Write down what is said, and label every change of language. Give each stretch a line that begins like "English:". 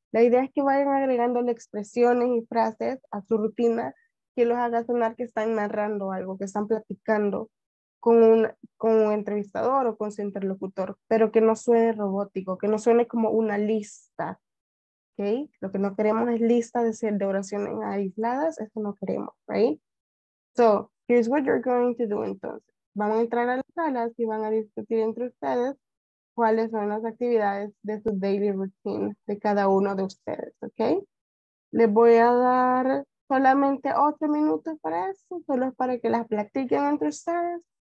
Spanish: La idea es que vayan agregando expresiones y frases a su rutina que los haga sonar que están narrando algo, que están platicando con un entrevistador o con su interlocutor, pero que no suene robótico, que no suene como una lista, ¿ok? Lo que no queremos es lista de oraciones aisladas, eso no queremos, ¿right?
English: So, here's what you're going to do, entonces.
Spanish: Van a entrar a las salas y van a discutir entre ustedes cuáles son las actividades de su daily routine de cada uno de ustedes, ¿ok? Les voy a dar solamente 8 minutos para eso, solo para que las practiquen entre ustedes.